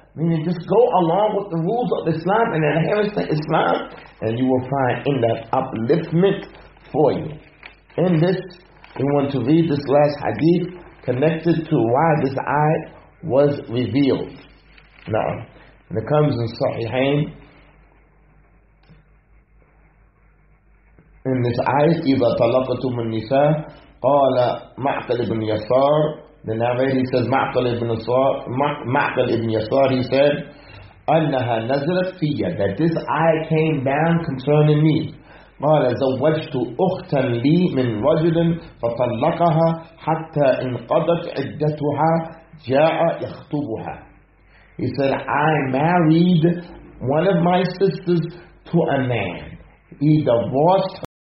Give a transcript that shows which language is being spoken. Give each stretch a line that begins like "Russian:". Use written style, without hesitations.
English: Meaning just go along with the rules of Islam and adherence to Islam, and you will find in that upliftment for you. In this, we want to read this last hadith connected to why this ayah was revealed. Now, and it comes in Sahihain. In this ayah,
Arabic: إِذَا طَلَقَتُمُ النِّسَاءِ قَالَ مَعْقَلْ ابن يَسَارِ.
English: The narrator says, مَعْقَلْ ابن يَسَارِ, he said,
Arabic: أَنَّهَا نَزَلَتْ فِيَّ.
English: That this ayah came down concerning me.
Arabic: قَالَ زَوَّجْتُ أُخْتًا لِي مِنْ رَجُلٍ فَطَلَّقَهَا حَتَّى إِنْقَضَتْ عِدَّتُهَا جَاءَ يَخْطُبُهَا.
English: He said, I married one of my sisters to a man. He divorced her.